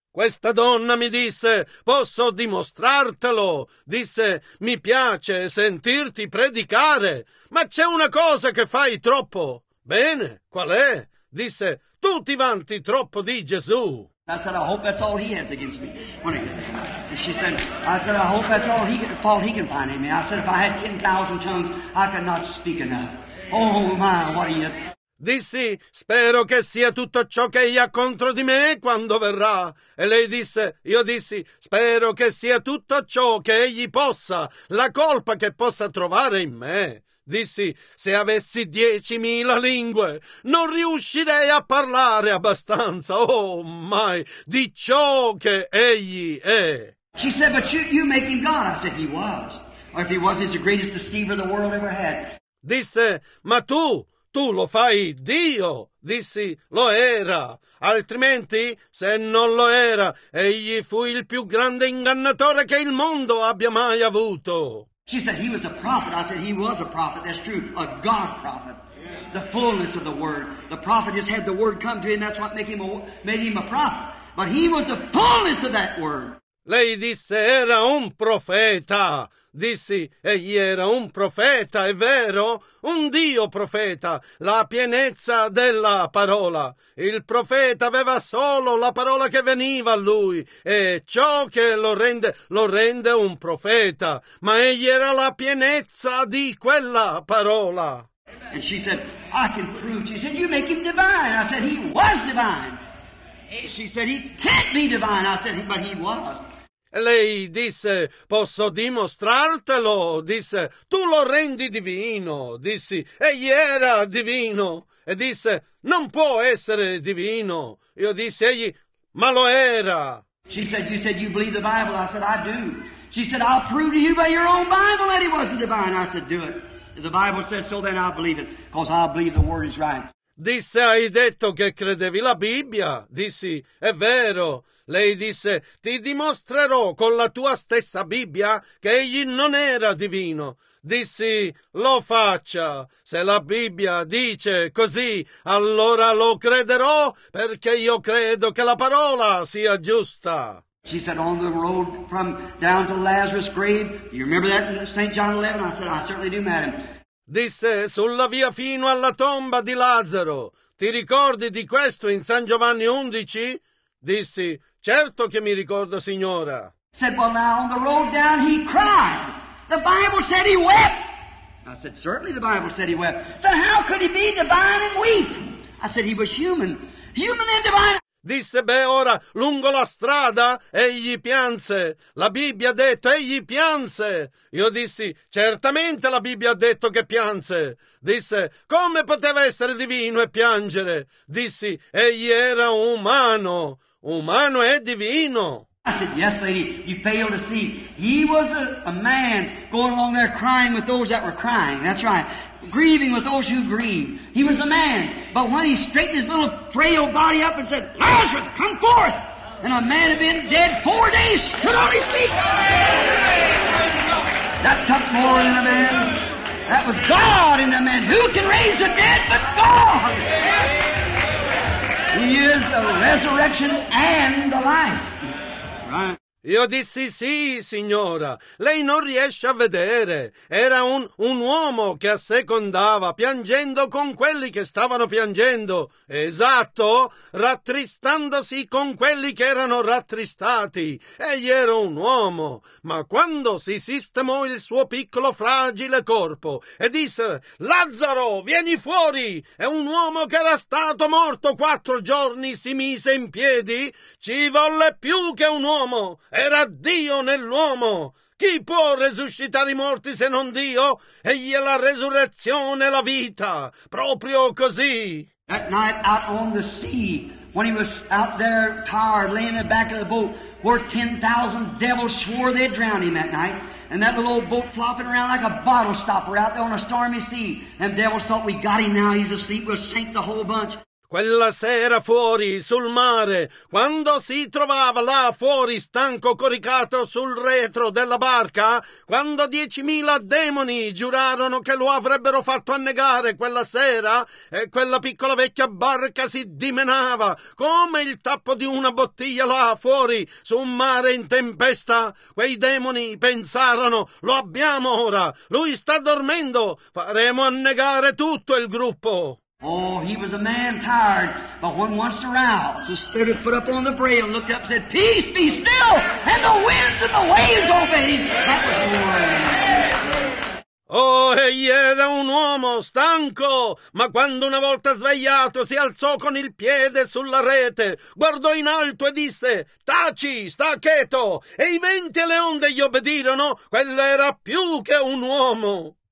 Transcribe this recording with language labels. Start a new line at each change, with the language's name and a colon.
Italian: Questa donna mi disse, posso dimostrartelo. Disse, mi piace sentirti predicare, ma c'è una cosa che fai troppo. Bene, qual è? Disse, tu ti vanti troppo di Gesù.
English: I said, I hope that's all he has against me. And she said, I said, I hope that's all he can, fault he can find in me. I said, if I had 10,000 tongues, I could not speak enough. Oh my, what are you?
Italian: Dissi, spero che sia tutto ciò che egli ha contro di me quando verrà. E lei disse, io dissi, spero che sia tutto ciò che egli possa, la colpa che possa trovare in me. Dissi, se avessi 10,000 lingue, non riuscirei a parlare abbastanza,
English: oh mai,
Italian: di ciò che egli è.
English: She said, but you make him God. I said, he was. Or if he was, he's the greatest deceiver the world ever had.
Italian: Disse, ma tu lo fai Dio. Dissi, lo era. Altrimenti, se non lo era, egli fu il più grande ingannatore che il mondo abbia mai avuto.
English: She said, he was a prophet. I said, he was a prophet. That's true. A God prophet. The fullness of the word. The prophet just had the word come to him. That's what made him a prophet. But he was the fullness of that word.
Italian: Lei disse, era un profeta. Dissi, egli era un profeta, è vero? Un Dio profeta, la pienezza della parola. Il profeta aveva solo la parola che veniva a lui, e ciò che lo rende un profeta. Ma egli era la pienezza di quella parola. Amen.
English: And she said, I can prove to you. She said, you make him divine. I said, he was divine. She said, he can't be divine. I said, but he was.
Italian: Lei disse, posso dimostrartelo? Disse, tu lo rendi divino. Dissi, egli era divino. E disse, non può essere divino. Io dissi, egli, ma lo era.
English: She said, you said you believe the Bible. I said, I do. She said, I'll prove to you by your own Bible that he wasn't divine. I said, do it. If the Bible says so, then I believe it, because I believe the word is right.
Italian: Disse, hai detto che credevi la Bibbia? Dissi, è vero. Lei disse, ti dimostrerò con la tua stessa Bibbia che egli non era divino. Dissi, lo faccia. Se la Bibbia dice così, allora lo crederò, perché io credo che la parola sia giusta.
English: She said, on the road from down to Lazarus' grave, you remember that in St. John 11? I said, I certainly do, madam.
Italian: Disse, sulla via fino alla tomba di Lazzaro, ti ricordi di questo in San Giovanni 11? Dissi, certo che mi ricordo, signora.
English: Said, well, now on the road down he cried. The Bible said he wept. I said, certainly the Bible said he wept. So how could he be divine and weep? I said, he was human. Human and divine.
Italian: Disse, beh, ora, lungo la strada, egli pianse. La Bibbia ha detto, egli pianse. Io dissi, certamente la Bibbia ha detto che pianse. Disse, come poteva essere divino e piangere? Dissi, egli era umano. Umano e divino.
English: I said, yes, lady, you failed to see. He was a man going along there crying with those that were crying. That's right. Grieving with those who grieve. He was a man. But when he straightened his little frail body up and said, Lazarus, come forth! And a man had been dead 4 days, stood on his feet. That took more than a man. That was God in a man. Who can raise the dead but God? He is the resurrection and the life.
Italian: Io dissi, sì, signora, lei non riesce a vedere. Era un uomo che assecondava, piangendo con quelli che stavano piangendo. Esatto, rattristandosi con quelli che erano rattristati. Egli era un uomo, ma quando si sistemò il suo piccolo, fragile corpo e disse, Lazzaro, vieni fuori! E un uomo che era stato morto 4 giorni si mise in piedi, ci volle più che un uomo. Era Dio nell'uomo. Chi può resuscitare i morti se non Dio? Egli è la resurrezione e la vita. Proprio così.
English: That night out on the sea, when he was out there tired, laying in the back of the boat, where 10,000 devils swore they'd drown him that night, and that little old boat flopping around like a bottle stopper out there on a stormy sea, and devils thought, we got him now, he's asleep, we'll sink the whole bunch.
Italian: Quella sera fuori, sul mare, quando si trovava là fuori, stanco, coricato sul retro della barca, quando 10.000 demoni giurarono che lo avrebbero fatto annegare quella sera, e quella piccola vecchia barca si dimenava come il tappo di una bottiglia là fuori, su un mare in tempesta, quei demoni pensarono, lo abbiamo ora, lui sta dormendo, faremo annegare tutto il gruppo.
English: Oh, he was a man tired, but when once aroused, he stood his foot up on the braille and looked up and said, peace, be still, and the winds and the waves obey. That was more.
Italian: Oh, egli era un uomo stanco, ma quando una volta svegliato si alzò con il piede sulla rete, guardò in alto e disse, taci, sta cheto, e i venti e le onde gli obbedirono, quello era più che un uomo.